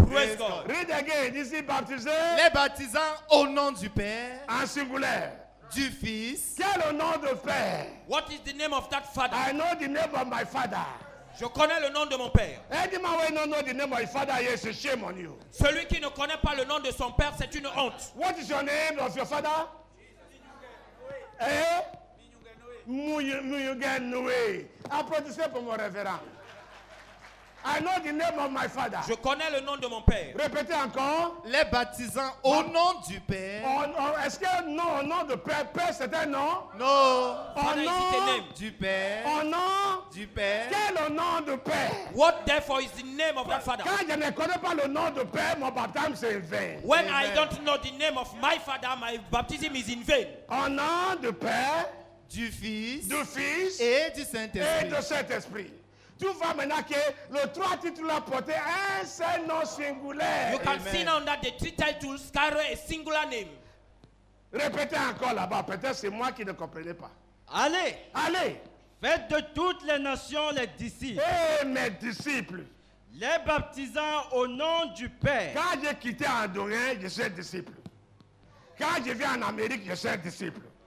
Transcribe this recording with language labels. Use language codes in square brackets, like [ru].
[en] Praise God. Read again. Is he baptisé? [fr] Les baptisants au nom du Père. En singulier. Du Fils. Quel nom de Père? [en] What is the name of that Father? I know the name of my Father. [fr] Je connais le nom de mon Père. [en] Any man who don't know the name of his Father, yes, it's a shame on you. [fr] Celui qui ne connaît pas le nom de son Père, c'est une honte. [en] What is your name of your Father? Jesus. [fr] Mouyougenoué. Applaudissez pour mon révérend. [en] I know the name of my father. [fr] Je connais le nom de mon père. Répétez encore. Les baptisant au nom du père. Est-ce que non, au nom de père, père c'est un nom? Non. Au nom du père. Au nom du père. Quel est le nom de père? [en] What therefore is the name of your father? [fr] Quand je ne connais pas le nom de père, mon baptême c'est vain. [en] When I don't know the name of my father, my baptism is in vain. [fr] Au nom de père. Du fils. Du fils. Et du Saint-Esprit. Et du Saint-Esprit. Tu vois maintenant que le trois titres ont porté un seul nom singulier. [en] You can see now that the three titles carry a singular name. [fr] Répétez encore là-bas, peut-être c'est moi qui ne comprenais pas. Allez. Allez. Faites de toutes les nations les disciples. Eh, mes disciples. Les baptisant au nom du Père. Quand j'ai quitté Andorin, je suis un disciple. Quand je viens en Amérique, je suis un disciple.